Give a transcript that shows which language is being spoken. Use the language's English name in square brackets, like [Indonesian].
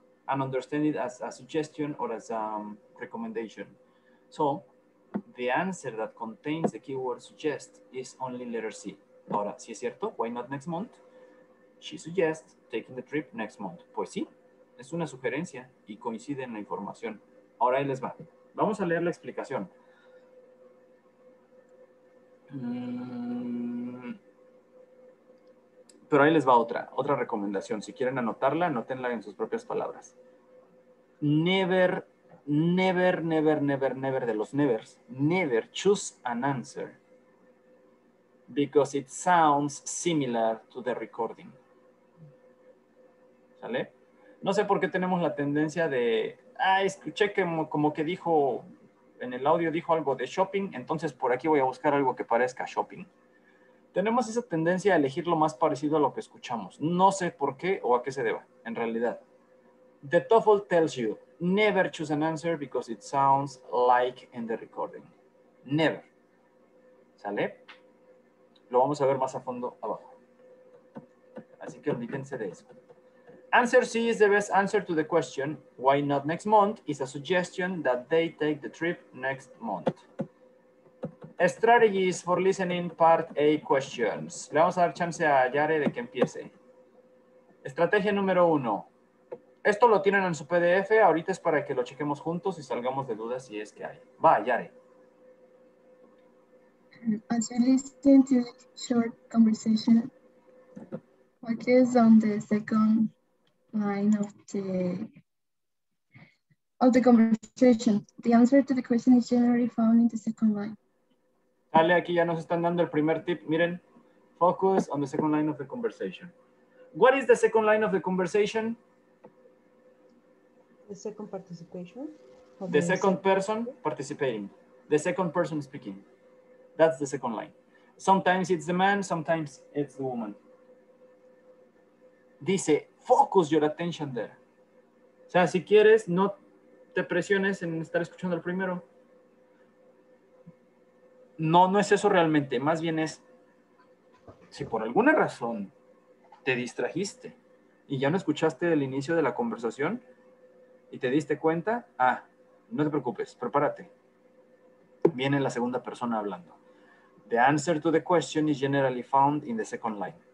[English] And understand it as a suggestion or as a recommendation. So, the answer that contains the keyword suggest is only letter C. [Spanish] Ahora, si es cierto, [English] why not next month? She suggests taking the trip next month. [Spanish] Pues sí, es una sugerencia y coincide en la información. Ahora ahí les va. Vamos a leer la explicación. Mm. Pero ahí les va otra recomendación. Si quieren anotarla, anótenla en sus propias palabras. [English] Never, never, never, never, never [Spanish] de los [English] nevers. Never choose an answer because it sounds similar to the recording. [Spanish] ¿Sale? No sé por qué tenemos la tendencia de, escuché que como que dijo, en el audio dijo algo de shopping, entonces por aquí voy a buscar algo que parezca shopping. Tenemos esa tendencia a elegir lo más parecido a lo que escuchamos. No sé por qué o a qué se deba, en realidad. [English] The TOEFL tells you, never choose an answer because it sounds like in the recording. Never. [Spanish] ¿Sale? Lo vamos a ver más a fondo abajo. Así que olvídense de eso. [English] Answer C is the best answer to the question, why not next month, is a suggestion that they take the trip next month. Strategies for listening part A questions. [Spanish] Le vamos a dar chance a Yare de que empiece. Estrategia número uno. Esto lo tienen en su PDF. Ahorita es para que lo chequemos juntos y salgamos de dudas si es que hay. Va, Yare. [English] As you listen to the short conversation, what is on the second line of the conversation? The answer to the question is generally found in the second line. [Spanish] Dale, aquí ya nos están dando el primer tip. Miren, [English] focus on the second line of the conversation. What is the second line of the conversation? The second participation. The second person participating. The second person speaking. That's the second line. Sometimes it's the man, sometimes it's the woman. [Spanish] Dice, [English] focus your attention there. [Spanish] O sea, si quieres, no te presiones en estar escuchando el primero. No, no es eso realmente. Más bien es, si por alguna razón te distrajiste y ya no escuchaste el inicio de la conversación y te diste cuenta, no te preocupes, prepárate. Viene la segunda persona hablando. [English] The answer to the question is generally found in the second line.